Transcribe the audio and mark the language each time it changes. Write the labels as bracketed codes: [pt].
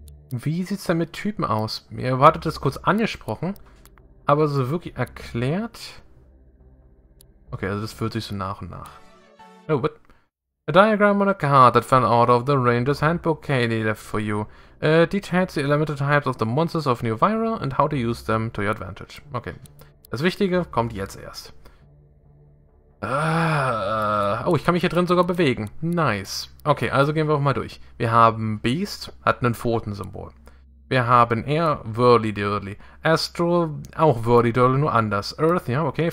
[de] Wie sieht's denn mit Typen aus? Ihr wartet das kurz angesprochen, aber so wirklich erklärt. Okay, also das führt sich so nach und nach. [en] Oh, what? A diagram on a card that fell out of the Ranger's Handbook Kaylee left for you. Details the elemental types of the monsters of New Vyra and how to use them to your advantage. [de] Okay. Das Wichtige kommt jetzt erst. Oh, ich kann mich hier drin sogar bewegen. Nice. Okay, also gehen wir auch mal durch. Wir haben Beast, hat ein Pfotensymbol. Wir haben Air, Whirly Dirly. Astro, auch Whirly Dirly, nur anders. Earth, ja, okay.